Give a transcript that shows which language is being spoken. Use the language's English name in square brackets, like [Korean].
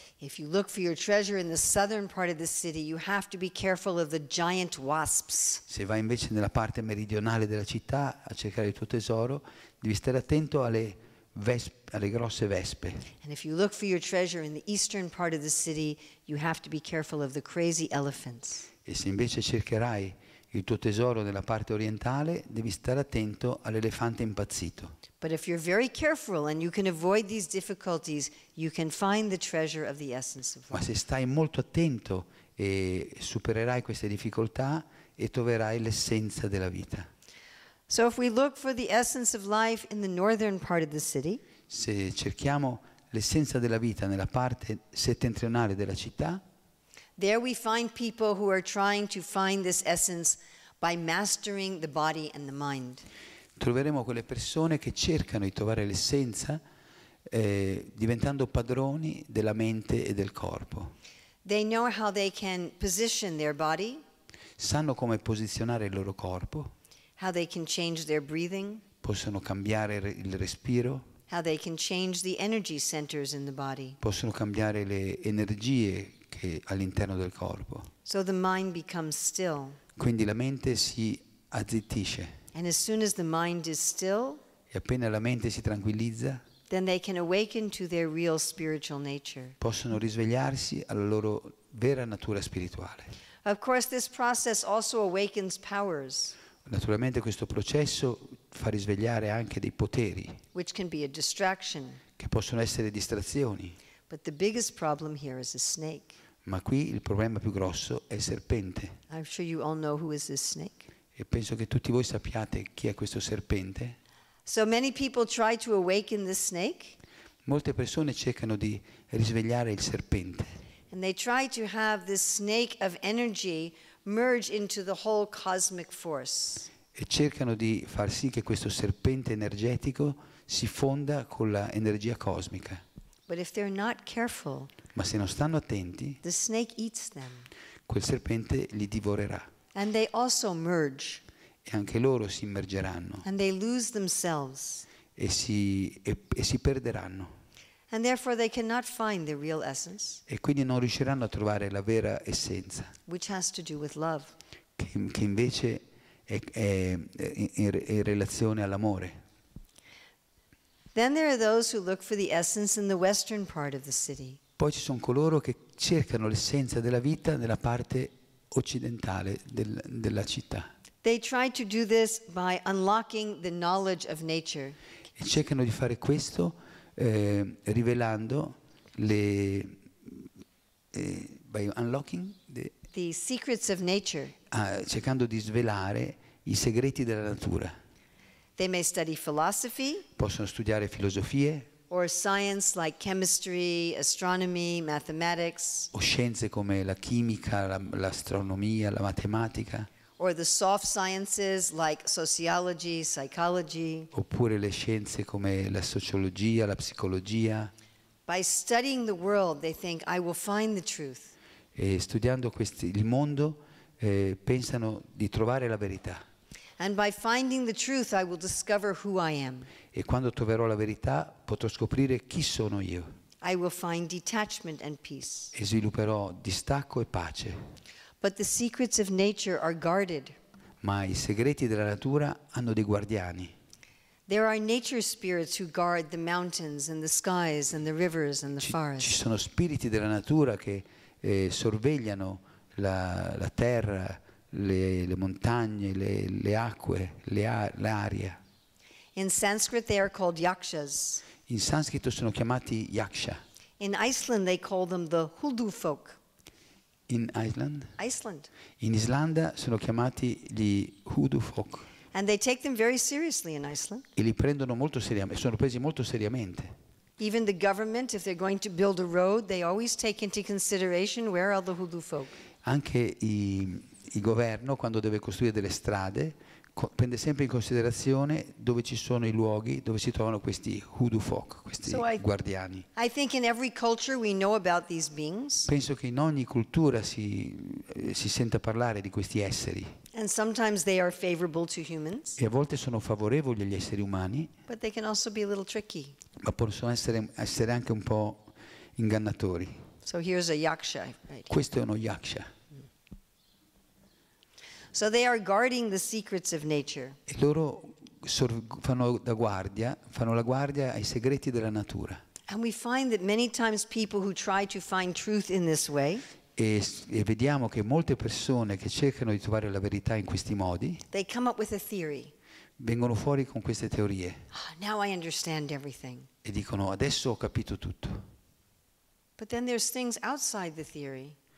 [English] If you look for your treasure in the southern part of the city, you have to be careful of the giant wasps. [Italian] Se vai invece nella parte meridionale della città a cercare il tuo tesoro, devi stare attento alle grosse vespe. [English] And if you look for your treasure in the eastern part of the city, you have to be careful of the crazy elephants. [Italian] E se invece cercherai il tuo tesoro nella parte orientale, devi stare attento all'elefante impazzito. [English] But if you're very careful and you can avoid these difficulties, you can find the treasure of the essence of life. [Italian] Ma se stai molto attento e supererai queste difficoltà e troverai l'essenza della vita. [English] So if we look for the essence of life in the northern part of the city, [Italian] se cerchiamo l'essenza della vita nella parte settentrionale della città, [English] there we find people who are trying to find this essence by mastering the body and the mind. [Italian] Troveremo quelle persone che cercano di trovare l'essenza diventando padroni della mente e del corpo. [English] They know how they can position their body. [Italian] Sanno come posizionare il loro corpo. [English] How they can change their breathing. [Italian] Possono cambiare il respiro. [English] How they can change the energy centers in the body. [Italian] Possono cambiare le energie che all'interno del corpo. [English] So the mind becomes still. [Italian] Quindi la mente si azzittisce. [English] And as soon as the mind is still, [Italian] e appena la mente si tranquillizza, [English] then they can awaken to their real spiritual nature. [Italian] Possono risvegliarsi alla loro vera natura spirituale. [English] Of course, this process also awakens powers. [Italian] Naturalmente questo processo fa risvegliare anche dei poteri, [English] which can be a distraction. [Italian] Che possono essere distrazioni. [English] But the biggest problem here is a snake. [Italian] Ma qui il problema più grosso è il serpente. [English] I'm sure you all know who is this snake. [Italian] e penso che tutti voi sappiate chi è questo serpente. [English] So many people try to awaken the snake. [Italian] Molte persone cercano di risvegliare il serpente. [English] And they try to have this snake of energy merge into the whole cosmic force. [Italian] E cercano di far sì che questo serpente energetico si fonda con l'energia cosmica. [English] But if they're not careful, [Italian] ma se non stanno attenti, [English] the snake eats them. [Italian] Quel serpente li divorerà. [English] And they also merge. [Italian] E anche loro si immergeranno. [English] And they lose themselves. [Italian] E si perderanno. [English] And therefore they cannot find the real essence. [Italian] E quindi non riusciranno a trovare la vera essenza. [English] Which has to do with love. [Italian] Che invece è in relazione all'amore. [English] Then there are those who look for the essence in the western part of the city. [Italian] Poi ci sono coloro che cercano l'essenza della vita nella parte occidentale della città. [English] They try to do this by unlocking the knowledge of nature. [Italian] E cercano di fare questo rivelando [English] by unlocking the secrets of nature. [Italian] Cercando di svelare i segreti della natura. [English] They may study philosophy. [Italian] Possono studiare filosofie. [English] Or science like chemistry, astronomy, mathematics. [Italian] O scienze come la chimica, l'astronomia, la matematica. [English] Or the soft sciences like sociology, psychology. [Italian] Oppure le scienze come la sociologia, la psicologia. [English] By studying the world, they think I will find the truth. [Italian] E studiando il mondo pensano di trovare la verità. [English] And by finding the truth, I will discover who I am. [Italian] E quando troverò la verità, potrò scoprire chi sono io. [English] I will find detachment and peace. [Italian] E svilupperò distacco e pace. [English] But the secrets of nature are guarded. [Italian] Ma i segreti della natura hanno dei guardiani. [English] There are nature spirits who guard the mountains and the skies and the rivers and the forests. [Italian] Ci sono spiriti della natura che sorvegliano la terra, le montagne, le acque, l'aria. [English] In Sanskrit they are called yakshas. [Italian] In sanscrito sono chiamati yaksha. [English] In Iceland they call them the huldu folk. In Iceland? Iceland. [Italian] In Islanda sono chiamati gli huldu folk. [English] And they take them very seriously in Iceland. [Italian] E li prendono molto seriamente, sono presi molto seriamente. [English] Even the government, if they're going to build a road, they always take into consideration where are the huldu folk. [Italian] Anche il governo, quando deve costruire delle strade, prende sempre in considerazione dove ci sono i luoghi dove si trovano questi hoodoo folk, questi guardiani. [English] I think in every culture we know about these beings. [Italian] Penso che in ogni cultura si senta parlare di questi esseri. [English] And sometimes they are favorable to humans. [Italian] E a volte sono favorevoli agli esseri umani. [English] But they can also be a little tricky. [Italian] Ma possono essere anche un po' ingannatori. [English] So here's a yaksha. [Italian] Questo è uno yaksha. [English] So they are guarding the secrets of nature. [Italian] E loro fanno la guardia ai segreti della natura. [English] And we find that many times people who try to find truth in this way. [Italian] E vediamo che molte persone che cercano di trovare la verità in questi modi. [English] They come up with a theory. [Italian] Vengono fuori con queste teorie. [English] Now I understand everything. [Italian] E dicono adesso ho capito tutto. [English] But then there's things outside the theory.